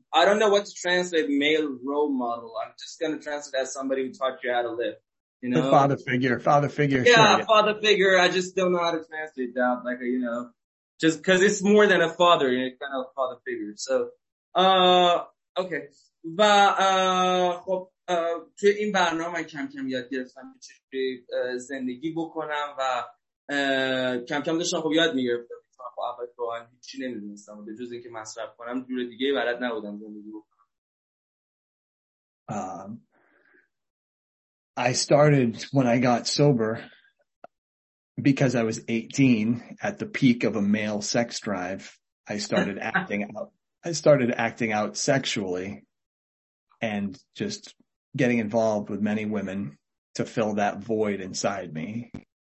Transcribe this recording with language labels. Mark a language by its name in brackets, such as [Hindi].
[English] I don't know what to translate male role model. I'm just going to translate as somebody who taught you how to live. You know? The father figure. Yeah, sure, yeah, father figure. I just don't know how to translate that. Like, you know, just because it's more than a father, you know, kind of father figure. So, okay. [Persian] و خب توی این برنامه کم کم یاد گرفتم که چجوری زندگی بکنم و کم کم داشتم خب یاد میگرفتم. من خب اول تو آن هیچی نمیدونستم و به جز اینکه مصرف کنم جور دیگه بلد نبودم زندگی بکنم. [English] I started when I got sober because I was 18 at the peak of a male sex drive. I started acting out sexually and just getting involved with many women to fill that void inside me.